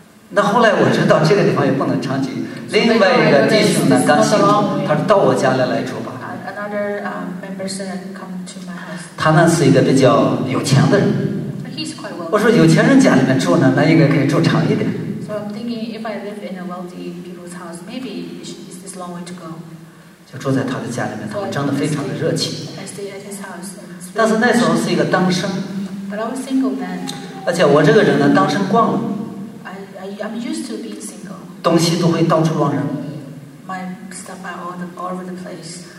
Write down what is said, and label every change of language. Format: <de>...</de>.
<zh>那后来我知道这个地方也不能长久。另外一个弟兄呢，刚信主，他说到我家来住吧。</zh> <en>Another member said come to my house.</en> <zh>他那是一个比较有钱的人。</zh> <en>He's quite wealthy.</en> <zh>我说有钱人家里面住呢，那应该可以住长一点。</zh> <en>So I'm thinking if I live in a wealthy people's house, maybe it's a long way to go.</en> <zh>就住在他的家里面，他们真的非常的热情。</zh> <en>I stay at his house.</en> <zh>但是那时候是一个单身。</zh> <en>But I was single then.</en> <zh>而且我这个人呢，单身惯了。</zh> <en>I'm used to being single.</en> <zh>东西都会到处乱扔。</zh> <en>My stuff are all over the place.</en>